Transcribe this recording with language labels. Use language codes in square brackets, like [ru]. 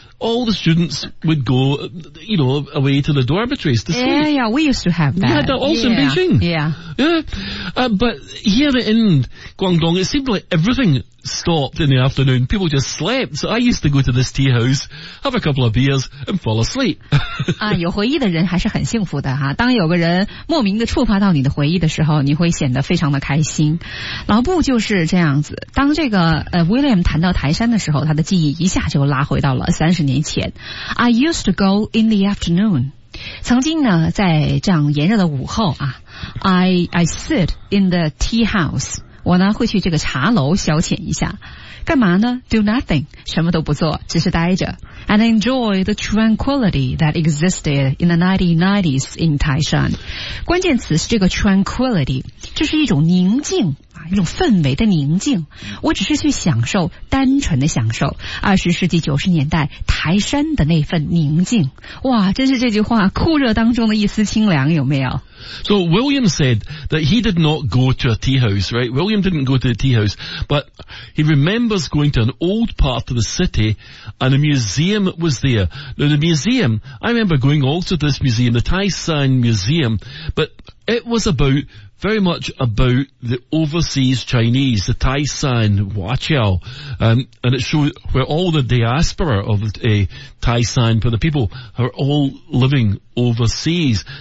[en] all the students would go, you know, away to the dormitories to sleep. Yeah, yeah, we used to have that. We had that also in Beijing. But here in Guangdong, it seemed like everything stopped in the afternoon. People just slept. So I used to go to this tea house, have a couple of beers, and fall asleep. [zh] 有回忆的人还是很幸福的哈。当有个人莫名的触发到你的回忆的时候，你会显得非常的开心。老布就是这样子。当这个William 谈到台山的时候，他的记忆一下就拉回到了30年前。 [en] I used to go in the afternoon. [zh] 曾经呢，在这样炎热的午后啊 [en] ，I sit in the tea house. [zh] 我呢会去这个茶楼消遣一下，干嘛呢 ？ [en] Do nothing， [zh] 什么都不做，只是待着 ， [en] and enjoy the tranquility that existed in the 1990s in Taishan。 [zh] 关键词是这个 tranquility， 这是一种宁静啊，一种氛围的宁静。我只是去享受，单纯的享受20世纪90年代台山的那份宁静。哇，真是这句话，酷热当中的一丝清凉，有没有？ [en] So William said that he did not go to a tea house, right? William didn't go to a tea house, but he remembers going to an old part of the city and a museum was there. Now the museum, I remember going also to this museum, the Taishan Museum, but it was about, very much about the overseas Chinese, the Taishan Huaqiao, and it showed where all the diaspora of Taishan, for the people, are all living overseas.